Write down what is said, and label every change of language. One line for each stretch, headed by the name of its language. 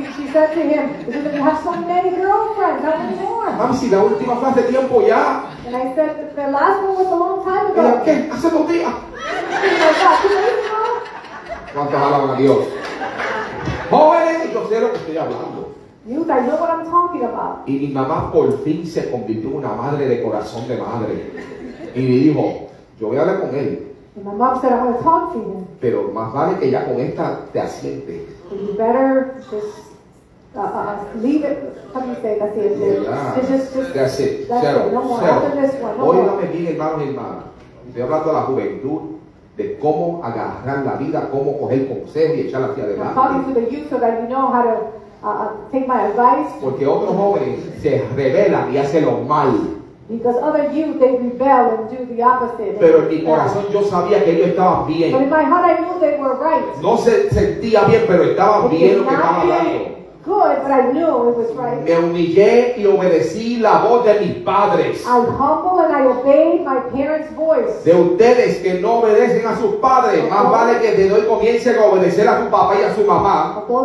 English: Said to him, because you have so many girlfriends, nothing more.
Spanish: Mami, si la última fue hace tiempo ya.
English: And I said, the last one was a long time ago.
Spanish: ¿Pero qué? Hace dos días. Y yo, ¿cuántas alaban a Dios? Jóvenes, yo sé lo que estoy hablando.
English: Youth, I know what I'm talking about.
Spanish: Y mi mamá por fin se convirtió en una madre de corazón de madre. Y me dijo, yo voy a hablar con él.
English: And my mom said, I want to talk to him.
Spanish: Pero más vale que ya con esta te asiente.
English: You better just leave it. How do you say that? That's it.
Spanish: Oigan, bien, hermanos y hermanas. Estoy hablando de la juventud, de cómo agarrar la vida, cómo coger consejos y echar hacia adelante.
English: I'm talking to the youth so that you know how to take my advice.
Spanish: Porque otros jóvenes se rebelan y hacen lo mal.
English: Because other youth, they rebel and do the opposite.
Spanish: Pero en mi corazón yo sabía que ellos estaban bien.
English: But in my heart, I knew they were right.
Spanish: No se sentía bien, pero estaban bien lo que estaban hablando.
English: Good, but I knew it was right.
Spanish: Me humillé y obedecí la voz de mis padres.
English: I humble and I obeyed my parents' voice.
Spanish: De ustedes que no obedecen a sus padres, más vale que de hoy comiencen a obedecer a su papá y a su mamá.